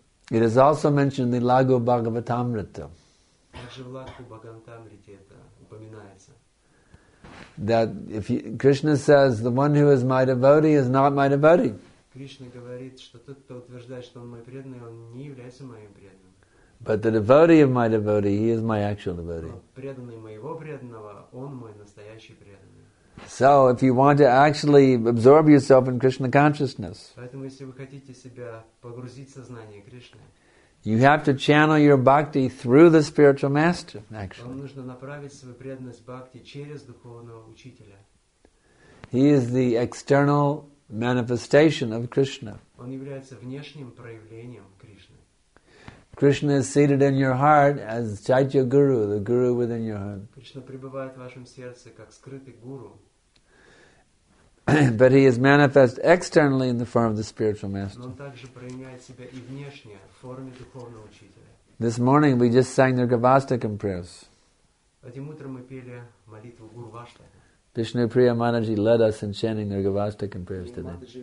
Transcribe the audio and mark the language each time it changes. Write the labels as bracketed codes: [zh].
[en] It is also mentioned in the Lagu Bhagavatamrita. [ru] Также в Лагу Бхагаватамрите это упоминается. [en] That if you, Krishna says the one who is my devotee is not my devotee. [ru] Кришна говорит, что тот, кто утверждает, что он мой преданный, он не является моим преданным. [en] But the devotee of my devotee, he is my actual devotee. [ru] Но преданный моего преданного, он мой настоящий преданный. [en] So if you want to actually absorb yourself in Krishna consciousness. [ru] Поэтому если вы хотите себя погрузить в сознание Кришны. [en] You have to channel your bhakti through the spiritual master, actually. [ru] Вам нужно направить свою преданность бхакти через духовного учителя. [en] He is the external manifestation of Krishna. [ru] Он является внешним проявлением Кришны. [en] Krishna is seated in your heart as Chaitya Guru, the Guru within your heart. [ru] Кришна пребывает в вашем сердце как скрытый гуру. [en] But he is manifest externally in the form of the spiritual master. [ru] Но он также проявляет себя и внешне в форме духовного учителя. [en] This morning we just sang the Gavastakam prayers. [ru] Этим утром мы пели молитву Гуру Вашта. [en] Vishnupriya Manaji led us in chanting the Gavastakam prayers today.